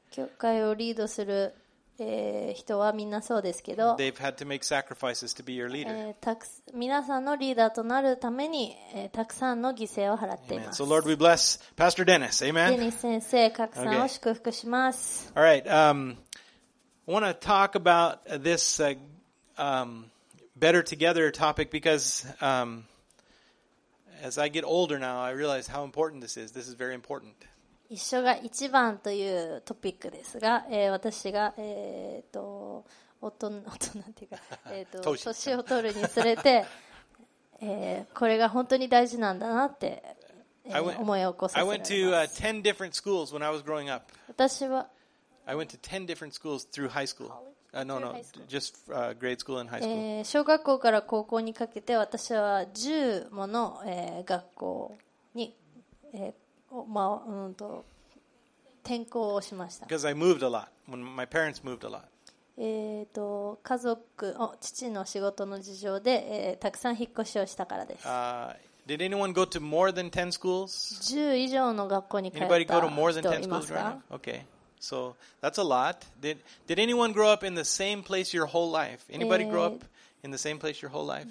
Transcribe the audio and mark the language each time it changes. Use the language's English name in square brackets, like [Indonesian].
[Japanese] 教会をリードする人はみんなそうですけど、 [English] They've had to make sacrifices to be your leader. [Japanese] 皆さんのリーダーとなるために、たくさんの犠牲を払っています。 [English] Amen. So Lord, we bless Pastor Dennis. Amen. [Japanese] デニス先生、各さんを祝福します。 [English] Okay. All right. I want to talk about this better together topic because as I get older now, I realize how important this is. This is very important. [Japanese] 一緒が一番というトピックですが、私が、年を取るにつれて、これが本当に大事なんだなって、思い起こさせられます。 [English] I went to 10 different schools when I was growing up. [Japanese] 私は [English] I went to 10 different schools through high school. No, just grade school and high school. [Japanese] 小学校から高校にかけて私は10もの、学校にまあ、転校をしました。 [English] Because I moved a lot. My parents moved a lot. [Japanese] 家族、父の仕事の事情で、たくさん引っ越しをしたからです。 [English] Did anyone go to more than 10 schools? [Japanese] 10以上の学校に通った人いますか? [English] Anybody go to more than 10 schools right now? Okay. So that's a lot. Did anyone grow up in the same place your whole life? Anybody grow up in the same place your whole life?